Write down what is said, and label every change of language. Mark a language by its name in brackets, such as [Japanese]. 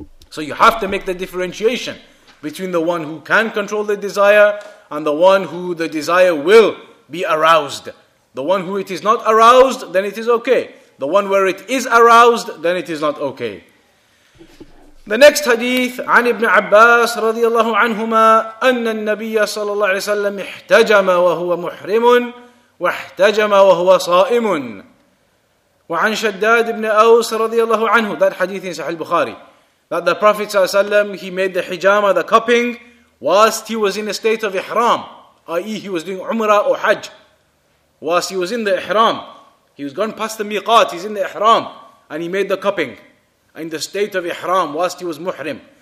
[English] So you have to make the differentiation between the one who can control the desire and the one who the desire will be aroused. The one who it is not aroused, then it is okay. The one where it is aroused, then it is not okay. [Arabic] The next hadith, عن ابن عباس رضي الله عنهما أن النبي صلى الله عليه وسلم احتجم وهو محرم واحتجم وهو صائم وعن شداد بن أوس رضي الله عنه. [English] That hadith in Sahih Bukhari, that the Prophet [Arabic] صلى الله عليه وسلم, [English] he made the hijama, the cupping, whilst he was in a state of ihram, i.e. he was doing umrah or hajj, whilst he was in the ihram, he was gone past the miqat, he's in the ihram, and he made the cupping in the state of ihram, whilst he was muhrim.